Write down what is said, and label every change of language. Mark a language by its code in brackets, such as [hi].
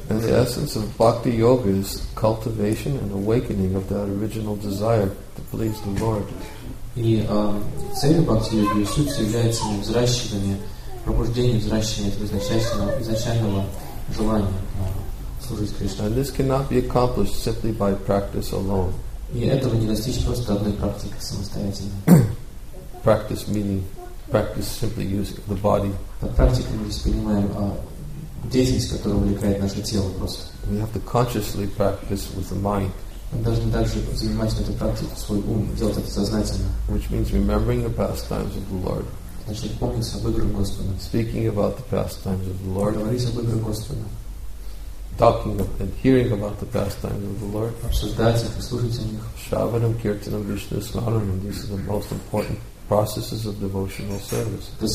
[en] And the essence of bhakti yoga is cultivation and awakening of that original desire to please the Lord. [ru] И целью бхакти йоги и сути является взращивание, пробуждение, взращивание этого изначального желания. [en] And this cannot be accomplished simply by practice alone. [ru] И этого не достичь просто одной практикой самостоятельно. [en] Practice meaning practice simply using the body. [ru] Под практикой мы здесь понимаем деятельность, которая увлекает наше тело просто. [en] We have to consciously practice with the mind. [ru] Мы должны также занимать эту практику свой ум, делать это сознательно. [en] Which means remembering the pastimes of the Lord. [ru] Значит, помнить об играх Господа. [en] Speaking about the pastimes of the Lord. [ru] Говорить об играх Господа. [en] Talking of and hearing about the pastimes of the Lord. Shravanam, Kirtanam, Vishnu, Smaranam. These are the most important processes of devotional service.